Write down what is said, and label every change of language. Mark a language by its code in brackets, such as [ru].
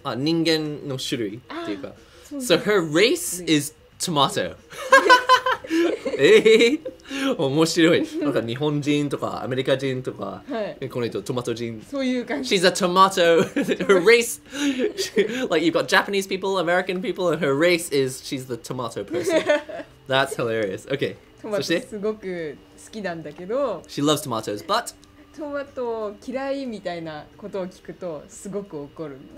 [ja] あ、人間の種類っていうか。 [en] So her race is tomato. [ja] ええー、面白い。なんか日本人とかアメリカ人とか、はい、この人トマト人。そういう感じ。 [en] She's a tomato. Her race. like you've got Japanese people, American people, and her race is she's the tomato person. That's hilarious. Okay. [ja] トマトすごく好きなんだけど。 [en] She loves tomatoes, but. [ja] トマト嫌いみたいなことを聞くとすごく怒る。